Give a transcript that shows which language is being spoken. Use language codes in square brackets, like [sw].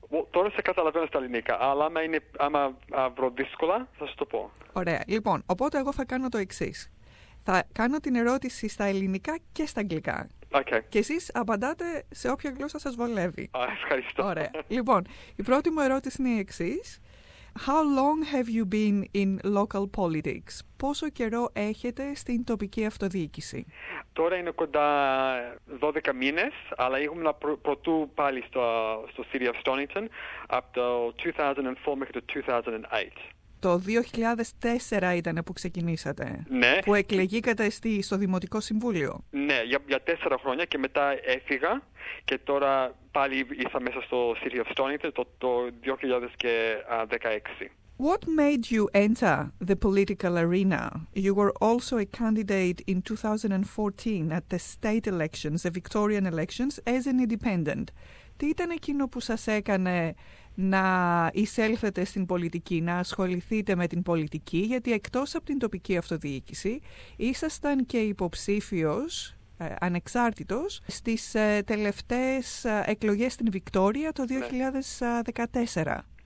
[el] Τώρα σε καταλαβαίνω στα ελληνικά, αλλά άμα βρω δύσκολα, θα σου το πω. Ωραία. Λοιπόν, οπότε εγώ θα κάνω το εξής. Θα κάνω την ερώτηση στα ελληνικά και στα αγγλικά. [en] Okay. [el] Και εσείς απαντάτε σε όποια γλώσσα σας βολεύει. Ευχαριστώ. Ωραία. Λοιπόν, η πρώτη μου ερώτηση είναι η εξής. [en] How long have you been in local politics? [el] Πόσο καιρό έχετε στην τοπική αυτοδιοίκηση? Τώρα είναι κοντά 12 μήνες, αλλά ήμουν πρωτού πάλι στο City of Stonington από το 2004 μέχρι το 2008. Το 2004 ήταν που ξεκινήσατε. Ναι. Που εκλεγήκατε στο Δημοτικό Συμβούλιο. Ναι, για 4 χρόνια και μετά έφυγα και τώρα πάλι ήρθα μέσα στο City of Stonington το 2016. [en] What made you enter the political arena? You were also a candidate in 2014 at the state elections, the Victorian elections, as an independent. [el] Τι ήταν εκείνο που σας έκανε να εισέλθετε στην πολιτική, να ασχοληθείτε με την πολιτική, γιατί εκτός από την τοπική αυτοδιοίκηση ήσασταν και υποψήφιος, ανεξάρτητος, στις τελευταίες εκλογές στην Βικτόρια το 2014.